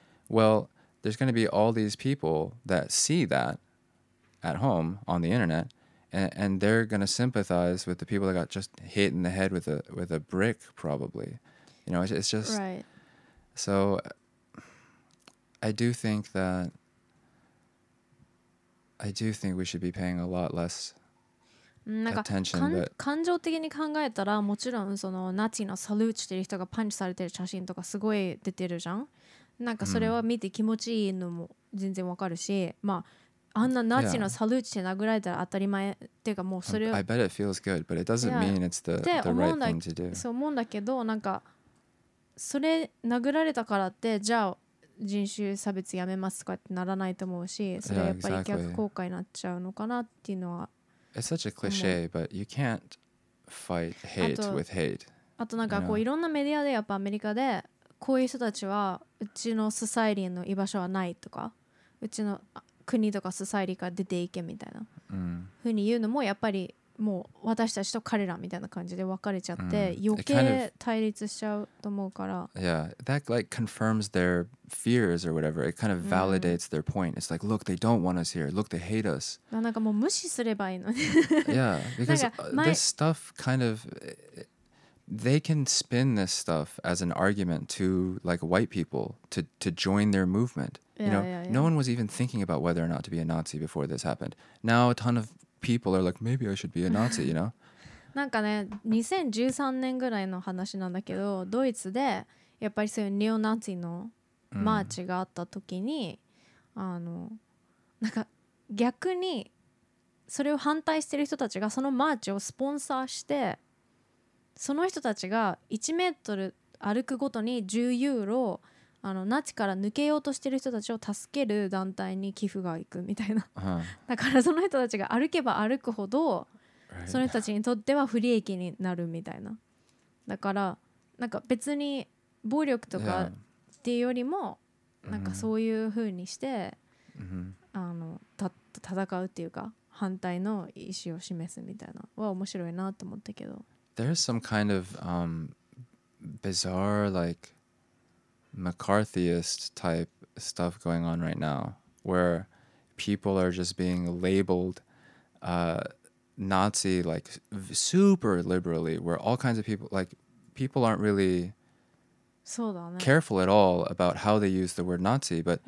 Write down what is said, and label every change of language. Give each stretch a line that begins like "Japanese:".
English: Well, there's going to be all these people that see that at home on the internet, and they're going to sympathize with the people that got just hit in the head with a brick, probably. You know, it's just right. So. I do think that I do think we should be paying a lot less attention. But
Japanese: 感情的に考えたらもちろんそのナチのサルーチてる人がパンチされてる写真とかすごい出てるじゃん。なんかそれは見て気持ちいいのも全然わかるし、まああんなナチのサルーチで殴られたら当たり前っていうかもうそれ。
English: I bet it feels good, but it doesn't mean it's the right thing to do.
Japanese: そう思うんだけど、なんかそれ殴られたからってじゃあ人種差別やめますとかってならないと思うし、それやっぱり逆効果になっちゃうのかなっていうのは。
English: It's such a cliche, but you can't fight hate with hate.
Japanese: あとなんかこういろんなメディアでやっぱアメリカでこういう人たちはうちのソサエリの居場所はないとか、うちの国とかソサエリから出ていけみたいな、うん、ふうに言うのもやっぱりもう私たちと彼らみたいな感じで分かれちゃって、うん、余計対立しちゃうと思うから。
English: Kind of, yeah, that like confirms their fears or whatever. It kind of validates their point. It's like, look, they don't want us here. Look, they hate us.
Japanese: なんかもう無視すればいいのに。
English: Yeah, because this stuff kind of... They can spin this stuff as an argument to like white people to join their movement. Yeah, you know, yeah. No one was even thinking about whether or not to be a Nazi before this happened. Now a ton of people are like, maybe I should be a Nazi, you know?
Japanese: なんかね、2013年ぐらいの話なんだけど、ドイツでやっぱりそういうネオナチのマーチがあった時に、あの、なんか逆にそれを反対してる人たちがそのマーチをスポンサーして、その人たちが1メートル歩くごとに10ユーロあのナチから抜けようとしてる人たちを助ける団体に寄付が行くみたいな、
English: huh.
Japanese: だからその人たちが歩けば歩くほど、
English: right.
Japanese: その人たちにとっては不利益になるみたいな、だからなんか別に暴力とかっていうよりも、
English: yeah.
Japanese: なんかそういう風にして、
English: mm-hmm.
Japanese: あの戦うっていうか反対の意思を示すみたいなは面白いなと思ったけど、
English: There's some kind of bizarre, like, McCarthyist type stuff going on right now, where people are just being labeled Nazi, like, super liberally, where all kinds of people, like, people aren't really careful at all about how they use the word Nazi, but,